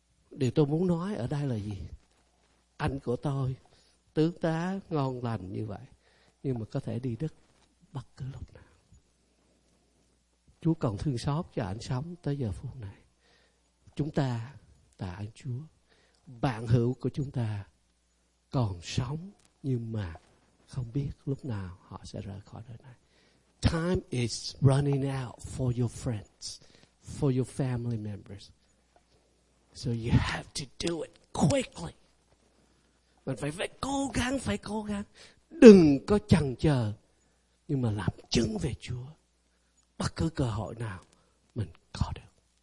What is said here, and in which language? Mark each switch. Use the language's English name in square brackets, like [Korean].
[Vietnamese] Điều tôi muốn nói ở đây là gì? Anh của tôi, tướng tá ngon lành như vậy, nhưng mà có thể đi đất bất cứ lúc nào. Chúa còn thương xót cho anh sống tới giờ phút này. Chúng ta tạ ơn Chúa. Bạn hữu của chúng ta còn sống, nhưng mà không biết lúc nào họ sẽ rời khỏi đời này. [English] Time is running out for your friends, for your family members. So you have to do it quickly. [Vietnamese] Mình phải cố gắng, phải cố gắng. Đừng có chần chờ, nhưng mà làm chứng về Chúa bất cứ cơ hội nào mình có được.